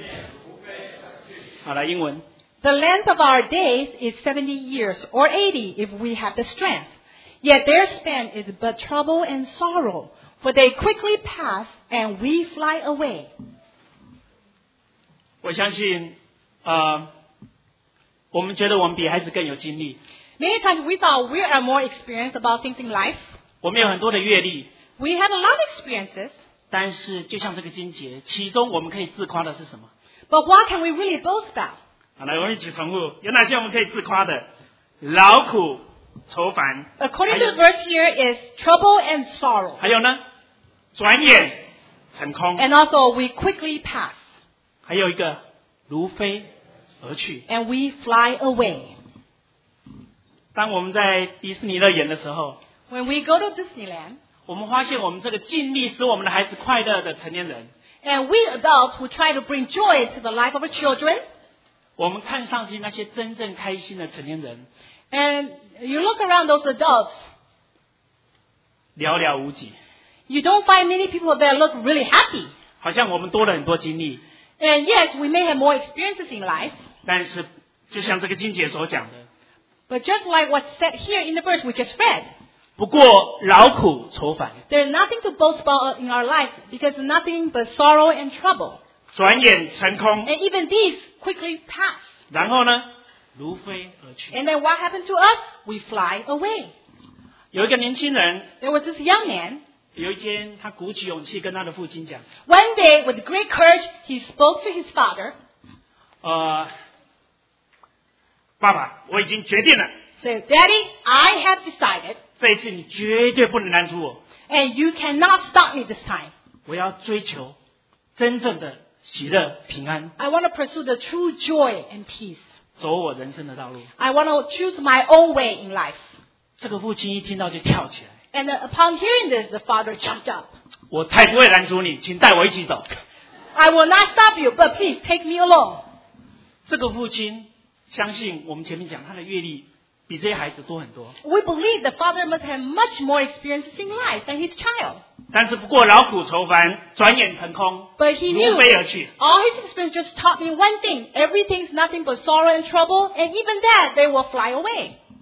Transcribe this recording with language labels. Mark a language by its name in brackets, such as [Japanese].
[Chinese] 好，我们中文请他来。我们满年日是若是强壮，但心中有金花的，不过是劳碌愁烦，转眼成功。好，来英文。 [English] The length of our days is 70 years or 80 if we have the strength. Yet their span is but trouble and sorrow, for they quickly pass and we fly away. [Chinese] 我相信我们觉得我们比孩子更有经历。 [English] Many times we thought we are more experienced about things in life. [Chinese] 我们有很多的阅历。 [English] We have a lot of experiences. [Chinese] 但是就像这个经节，其中我们可以自夸的是什么？ [English] But what can we really boast about? [Chinese] 好，来我们一起重复，有哪些我们可以自夸的？劳苦愁烦。 [English] According to the verse here is trouble and sorrow. [Chinese] 还有呢？转眼成空。 [English] And also we quickly pass. [Chinese] 还有一个，如飞而去。 [English] And we fly away. [Chinese] 当我们在迪士尼乐园的时候， [English] When we go to Disneyland, [Chinese] 我们发现我们这个尽力使我们的孩子快乐的成年人， [English] And we adults who try to bring joy to the life of our children, [Chinese] 我们看上去那些真正开心的成年人， [English] And you look around those adults, [Chinese] 寥寥无几。 [English] You don't find many people that look really happy. [Chinese] 好像我们多了很多经历。 [English] And yes, we may have more experiences in life. [Chinese] 但是就像这个经节所讲的， [English] But just like what's said here in the verse we just read, [Chinese] 不过劳苦愁烦。 [English] There's nothing to boast about in our life because nothing but sorrow and trouble. [Chinese] 转眼成空。 [English] And even these quickly pass. [Chinese] 然后呢？如飞而去。 [English] And then what happened to us? We fly away. [Chinese] 有一个年轻人， [English] There was this young man. [Chinese] 有一天他鼓起勇气跟他的父亲讲， [English] One day with great courage he spoke to his father. [Chinese] 爸爸，我已经决定了。 [English] So, Daddy, I have decided. [Chinese] 这一次你绝对不能拦住我。 [English] And you cannot stop me this time. [Chinese] 我要追求真正的 喜乐平安。 [English] I want to pursue the true joy and peace. [Chinese] 走我人生的道路。 [English] I want to choose my own way in life. [Chinese] 这个父亲一听到就跳起来。 [English] And upon hearing this, the father jumped up. [Chinese] 我才不会拦阻你， 请带我一起走。 [English] I will not stop you, but please take me along. [Chinese] 这个父亲相信我们前面讲， 他的阅历比这些孩子多很多。 [English] We believe the father must have much more experience in life than his child. [Chinese] 但是不过劳苦愁烦，转眼成空， [English] but he knew, [Chinese] 如飞而去。 [English] All his experience just taught me one thing. Everything's nothing but sorrow and trouble, and even that, they will fly away.